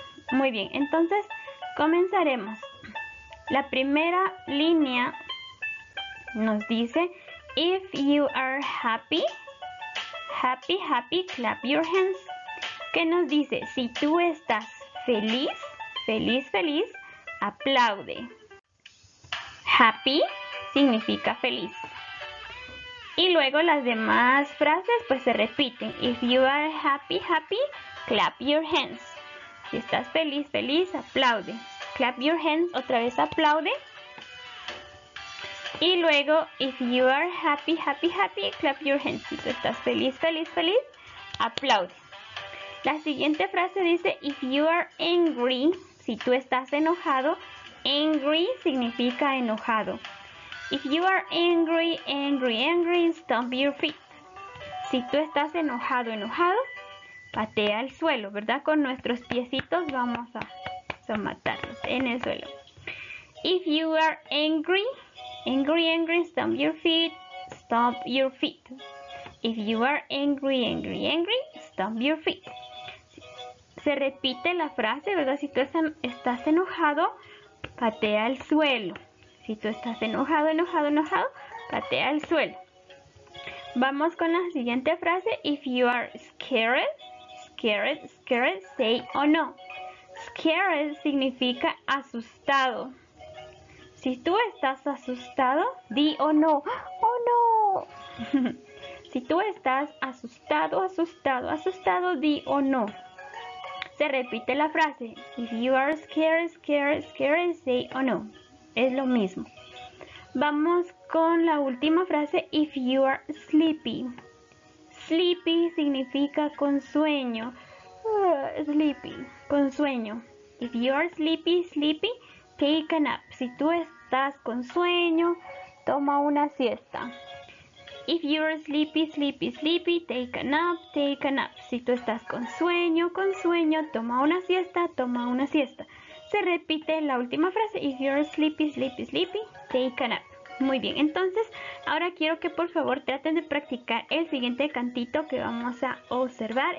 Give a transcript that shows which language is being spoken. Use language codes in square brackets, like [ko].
[es] Muy bien, entonces comenzaremos. La primera línea nos dice: [en] If you are happy, happy, happy, clap your hands. [es] ¿Qué nos dice? Si tú estás feliz, feliz, feliz, aplaude. Happy significa feliz. Y luego las demás frases pues se repiten. [en] If you are happy, happy, clap your hands. [es] Si estás feliz, feliz, aplaude. [en] Clap your hands, [es] otra vez aplaude. Y luego, [en] if you are happy, happy, happy, clap your hands. [es] Si estás feliz, feliz, feliz, aplaude. La siguiente frase dice, [en] if you are angry, [es] si tú estás enojado, angry significa enojado. [en] If you are angry, angry, angry, stomp your feet. [es] Si tú estás enojado, enojado, patea el suelo, ¿verdad? Con nuestros piecitos vamos a somatarlos en el suelo. [en] If you are angry, angry, angry, stomp your feet, stomp your feet. If you are angry, angry, angry, stomp your feet. [es] Se repite la frase, ¿verdad? Si tú estás enojado, patea el suelo. Si tú estás enojado, enojado, enojado, patea el suelo. Vamos con la siguiente frase. [en] If you are scared, scared, scared, say oh no. [es] Scared significa asustado. Si tú estás asustado, di oh no. Oh no. Si tú estás asustado, asustado, asustado, di oh no. Se repite la frase. [en] If you are scared, scared, scared, say oh no. [es] Es lo mismo. Vamos con la última frase. [en] If you are sleepy. Sleepy [es] significa con sueño. Sleepy, con sueño. [en] If you are sleepy, sleepy, take a nap. [es] Si tú estás con sueño, toma una siesta. [en] If you are sleepy, sleepy, sleepy, take a nap, take a nap. [es] Si tú estás con sueño, toma una siesta, toma una siesta. Se repite la última frase. [en] If you are sleepy, sleepy, sleepy, take a nap. [es] Muy bien, entonces ahora quiero que por favor traten de practicar el siguiente cantito que vamos a observar.